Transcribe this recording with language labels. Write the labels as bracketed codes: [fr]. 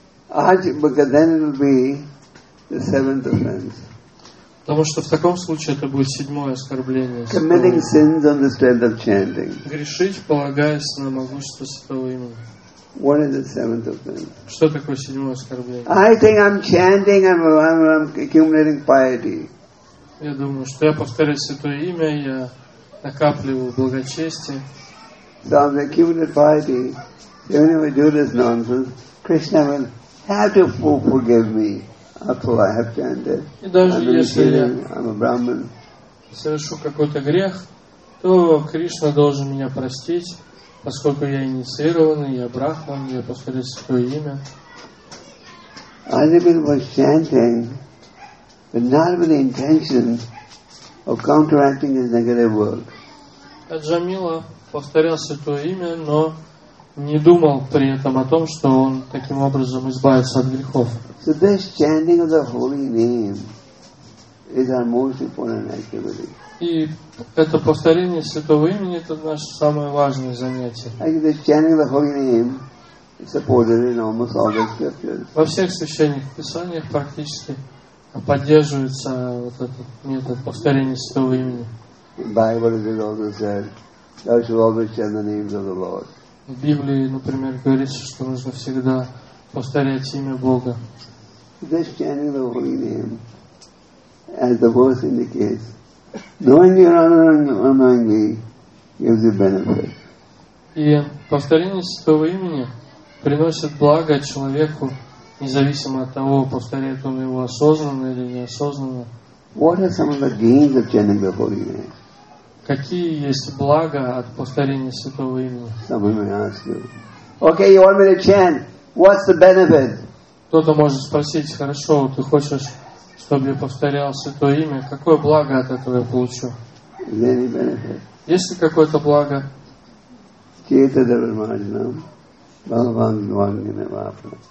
[en] Because then it will be the seventh offense. [ru] Потому что в таком случае это будет седьмое оскорбление. [en] Committing sins on the strength of chanting. [ru] Грешить, полагаясь на могущество святого имени. [en] What is the seventh offense? [ru] Что такое седьмое оскорбление? [en] I think I'm chanting and I'm accumulating piety. [ru] Я думаю, что я повторяю святое имя, я накапливаю благочестие. [en] So I'm accumulating piety. Even if I do this nonsense, Krishna will have to forgive me. After all, I have chanted. I'm a Brahmin. If I [ru] совершу какой-то грех, то Кришна должен меня простить, поскольку я инициированный, я брахман, я повторяю свое имя. [en] Other people were chanting, but not with the intention of counteracting his negative work. [ru] Аджамила повторял святое имя, но не думал при этом о том, что он таким образом избавится от грехов. [en] So this chanting of the holy name is our most important activity. [ru] И это повторение святого имени — это наше самое важное занятие. [en] Like this chanting of the holy name is supported in almost all the scriptures. [ru] Во всех священных писаниях практически поддерживается вот этот метод повторения святого имени. [en] Bible is also said. Thou shalt always chant the names of the Lord. [ru] В Библии, например, говорится, что нужно всегда повторять имя Бога. [en] This chanting the holy name, as the verse indicates, knowingly or unknowingly, gives you benefit. [ru] И повторение святого имени приносит благо человеку, независимо от того, повторяет он его осознанно или неосознанно. [en] What are some of the gains of chanting the holy name? [ru] Какие есть блага от повторения святого имени? [en] Somebody may ask you, okay, you want me to chant? What's the benefit? [ru] Кто-то может спросить: хорошо, ты хочешь, чтобы я повторял святое имя? Какое благо от этого я получу? [en] Any benefit? [ru] Есть ли какое-то благо? Чайтанья-махапрабху, Бхагаван Вангина Вапна.